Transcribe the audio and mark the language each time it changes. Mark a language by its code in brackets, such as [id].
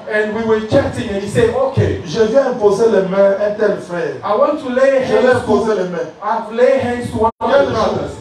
[en] And we were chatting and he said, okay. [fr] Je viens imposer les mains à un tel frère. [en] I want to lay hands. [fr] Je vais imposer les mains. [en] I've laid hands to one of the brothers.